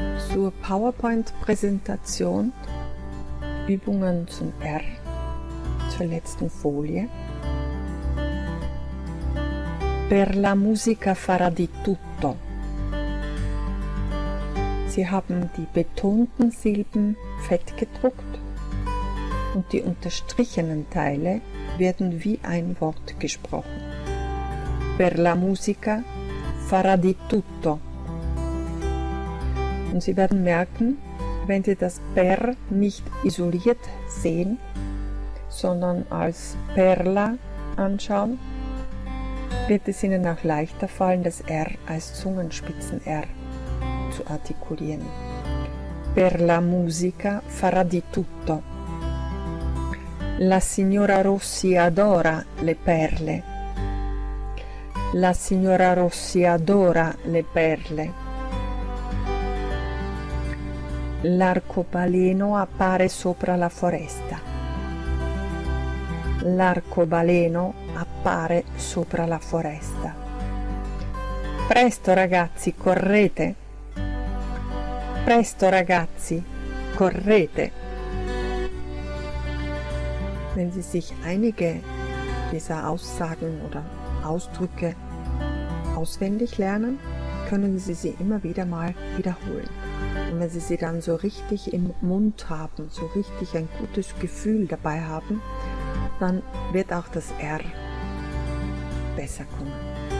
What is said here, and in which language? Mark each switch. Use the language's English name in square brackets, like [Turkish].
[German] zur PowerPoint-Präsentation Übungen zum R zur letzten Folie. [Italian] Per la musica farà di tutto. [German] Sie haben die betonten Silben fett gedruckt und die unterstrichenen Teile werden wie ein Wort gesprochen. [Italian] Per la musica farà di tutto. [German] Und Sie werden merken, wenn Sie das per nicht isoliert sehen, sondern als perla anschauen, wird es Ihnen auch leichter fallen, das R als Zungenspitzen-R zu artikulieren. [Italian] Per la musica farà di tutto. La signora Rossi adora le perle. La signora Rossi adora le perle. L'arcobaleno appare sopra la foresta. L'arcobaleno appare sopra la foresta. Presto ragazzi, correte! Presto ragazzi, correte! [German] Wenn Sie sich einige dieser Aussagen oder Ausdrücke auswendig lernen, können Sie sie immer wieder mal wiederholen. Und wenn Sie sie dann so richtig im Mund haben, so richtig ein gutes Gefühl dabei haben, dann wird auch das R besser kommen.